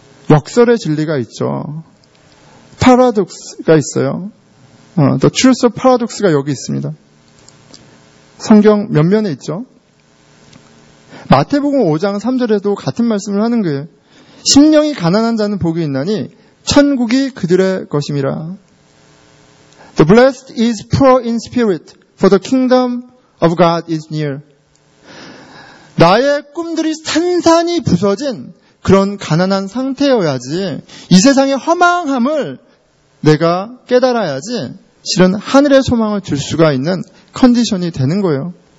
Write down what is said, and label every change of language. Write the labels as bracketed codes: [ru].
[ko] 역설의 진리가 있죠. 파라독스가 있어요. [en] The truth of paradox [ko] 가 여기 있습니다. 성경 몇 면에 있죠. 마태복음 5장 3절에도 같은 말씀을 하는 거예요. 심령이 가난한 자는 복이 있나니 천국이 그들의 것임이라. [en] The blessed is poor in spirit, for the kingdom of God is near. [ko] 나의 꿈들이 산산이 부서진 그런 가난한 상태여야지 이 세상의 허망함을 내가 깨달아야지 실은 하늘의 소망을 줄 수가 있는 컨디션이 되는 거예요.